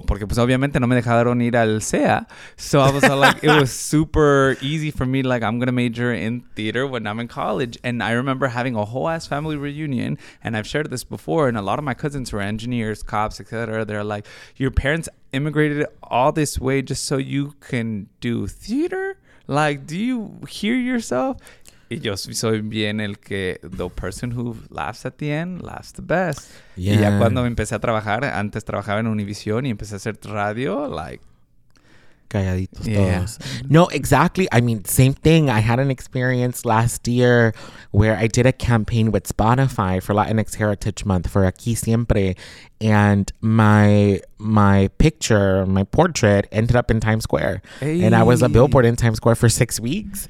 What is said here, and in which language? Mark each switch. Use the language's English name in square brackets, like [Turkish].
[Spanish] So, porque pues obviamente no me dejaron ir al CEA. [English] So I was like, it was super easy for me, like, I'm going to major in theater when I'm in college. And I remember having a whole ass family reunion, and I've shared this before, and a lot of my cousins were engineers, cops, etc. They're like, your parents immigrated all this way just so you can do theater? Like, do you hear yourself? [Spanish] Y yo soy bien el que, [English] the person who laughs at the end laughs the best. [Spanish] Yeah. Y ya cuando empecé a trabajar, antes trabajaba en Univision y empecé a hacer radio, like, [English] calladitos, yeah, todos. No, exactly. I mean, same thing. I had an experience last year where I did a campaign with Spotify for Latinx Heritage Month for Aquí Siempre, and my picture, my portrait, ended up in Times Square. Hey. And I was a billboard in Times Square for 6 weeks.